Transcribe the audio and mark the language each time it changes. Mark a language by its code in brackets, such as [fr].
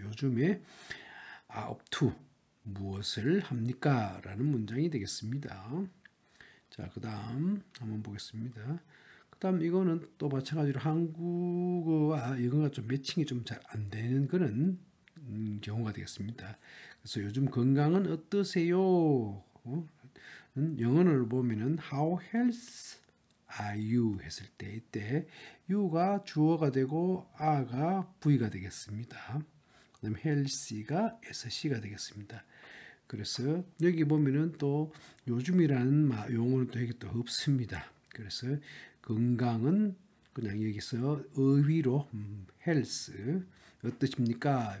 [ko] 요즘에 up to 무엇을 합니까라는 문장이 되겠습니다. 자, 그 다음 한번 보겠습니다. 그 다음 이거는 또 마찬가지로 한국어와 영어가 좀 매칭이 좀 잘 안 되는 그런 경우가 되겠습니다. 그래서 요즘 건강은 어떠세요? 영어를 보면은 [en] How health are you? [ko] 했을 때 이때 you가 주어가 되고 are가 V가 되겠습니다. 그 다음 healthy가 SC가 되겠습니다. 그래서 여기 보면은 또 요즘이라는 용어는 또 여기 또 없습니다. 그래서 건강은 그냥 여기서 의위로 health 어떠십니까?